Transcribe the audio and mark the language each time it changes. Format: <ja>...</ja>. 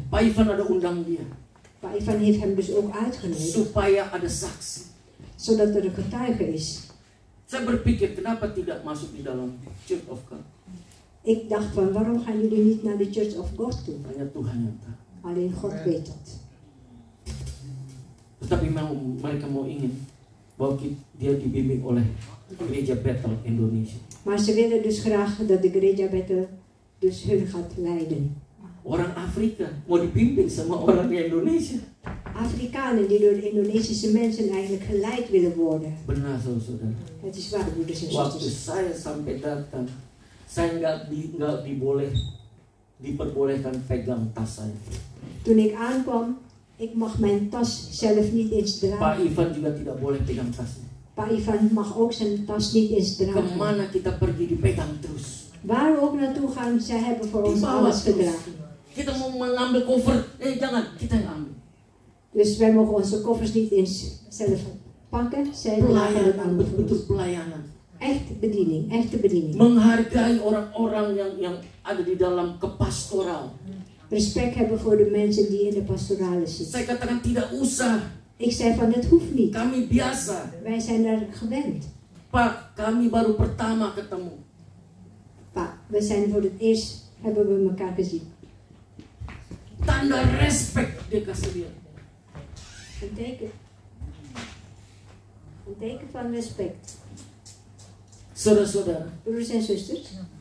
<id>Pak Ivan ada undang dia.</id> <nl>Pak Ivan heeft hem dus ook uitgenodigd.</nl> <id>Supaya ada saksi.</id> <nl>Zodat er een getuige is.</nl> <id>Saya berpikir, kenapa tidak masuk di dalam Church of God?</id> <nl>Ik dacht van, waarom gaan jullie niet naar de Church of God toe?</nl> <id>Hanya Tuhan yang tahu.</id> <nl>Alleen God weet het.</nl> <id>Tetapi mereka mau ingin bahwa dia dibimbing oleh Gereja Bethel Indonesia.</id> <nl>Maar ze willen dus graag dat de Gereja Bethel dus hun gaat leiden.</nl> <id>Orang Afrika mau dibimbing sama orang Indonesia.</id> <nl>Afrikanen die door Indonesische mensen eigenlijk geleid willen worden.</nl> <id>Benar, saudara.</id> <nl>Het is waar, broeders en zusters.</nl> <id>Waktu saya sampai datang, saya enggak diboleh diperbolehkan pegang tas saya.</id> <nl>Toen ik aankwam, ik mag mijn tas zelf niet eens dragen.</nl> <id>Pak Ivan juga tidak boleh pegang tasnya.</id> <nl>Pak Ivan mag ook zijn tas niet eens dragen.</nl> <id>Kemana kita pergi dipegang terus?</id> <nl>Waar we ook naartoe gaan, zij hebben voor ons alles gedragen.</nl> <id>Kita mau mengambil koffer, jangan, kita yang ambil.</id> <nl>Dus wij mogen onze koffers niet eens zelf pakken. Zij dragen het aan.</nl> <id>Betul pelayanan.</id> <nl>Echte bediening, echte bediening.</nl> <id>Menghargai orang-orang yang ada di dalam kepastoral.</id> <nl>Respect hebben voor de mensen die in de pastorale zitten.</nl> <id>Saya katakan tidak usah.</id> <nl>Ik zei van het hoeft niet.</nl> <id>Kami biasa.</id> <nl>Wij zijn daar gewend.</nl> <id>Pak, kami baru pertama ketemu.</id> <nl>Pak, we zijn voor het eerst hebben we elkaar gezien.</nl> <id>Tanda respect dia kasih dia.</id> <nl>Een teken van respect.</nl> <id>Saudara-saudara.</id> <nl>Broers en zusters.</nl>